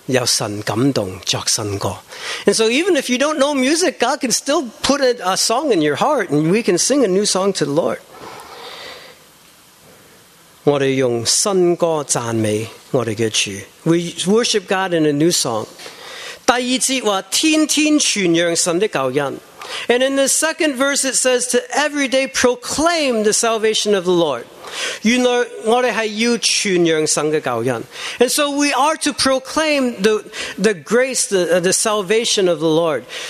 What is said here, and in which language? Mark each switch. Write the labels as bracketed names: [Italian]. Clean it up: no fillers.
[Cantonese] 所以就算你唔识音乐，你都可以有神感动作神歌。 [English] And so even if you don't know music, God can still put a song in your heart, and we can sing a new song to the Lord. [Cantonese] 我哋用新歌赞美我哋嘅主。 [English] We worship God in a new song. [Cantonese] 第二节话天天传扬神的救恩。 [English] And in the second verse, it says to every day proclaim the salvation of the Lord. [Cantonese] 原来我哋系要传扬神嘅救恩。 [English] And so we are to proclaim the grace, the salvation of the Lord.